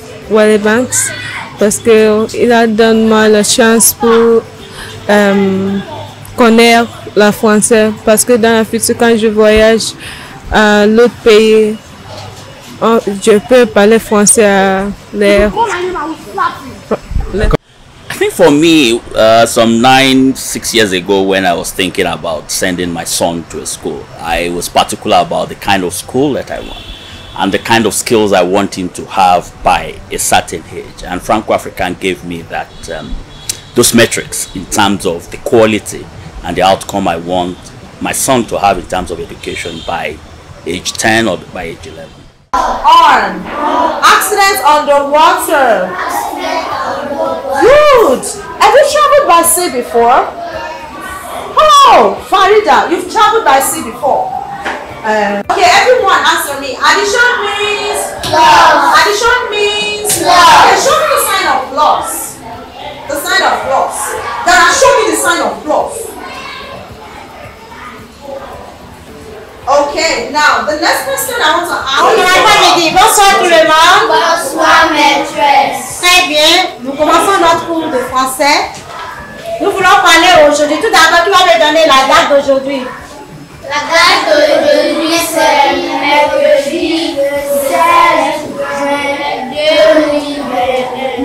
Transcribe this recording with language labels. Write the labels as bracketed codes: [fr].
[fr] Wally Banks, parce qu'il a donné moi la chance pour connaître la français. Parce que dans le futur, quand je voyage à l'autre pays, je peux parler français à l'air. [en] I think for me, some 9-6 years ago, when I was thinking about sending my son to a school, I was particular about the kind of school that I want and the kind of skills I want him to have by a certain age. And Franco-African gave me that those metrics in terms of the quality and the outcome I want my son to have in terms of education by age 10 or by age 11. On. Accident on the water. Good. Have you traveled by sea before? Hello, Farida. You've traveled by sea before. Okay, everyone, answer me. Addition means plus. Addition means plus. Okay, show me the sign of plus. The sign of plus. Dana, show me the sign of plus. Okay, now the next question I want to ask. Okay, my family, [fr] bonsoir tout le monde. Bonsoir, maîtresse. Très bien, nous commençons notre cours de français. Nous voulons parler aujourd'hui. Tout d'abord, tu vas me donner la date d'aujourd'hui. La date d'aujourd'hui, c'est mercredi 16 juin 2021.